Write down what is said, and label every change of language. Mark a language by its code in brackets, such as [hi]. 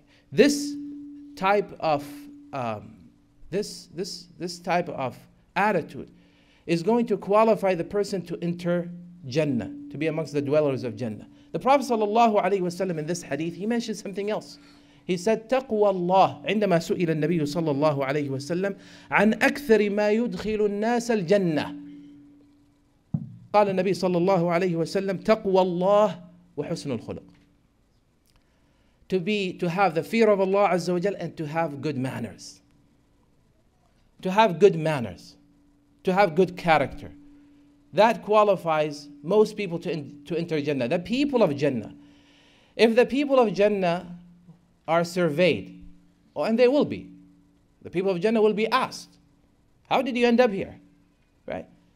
[en] This type of attitude is going to qualify the person to enter Jannah, to be amongst the dwellers of Jannah. The Prophet sallallahu alaihi wasallam in this hadith, he mentioned something else. He said, "Taqwa Allah." [ar] عندما سئل النبي صلى الله عليه وسلم عن أكثر ما يدخل الناس الجنة, قال النبي صلى الله عليه وسلم, "تقوى الله وحسن الخلق." [en] To have the fear of Allah Azza wa Jal and to have good manners. To have good manners. To have good character. That qualifies most people to enter Jannah. The people of Jannah. If the people of Jannah are surveyed, and they will be, the people of Jannah will be asked, how did you end up here? Right?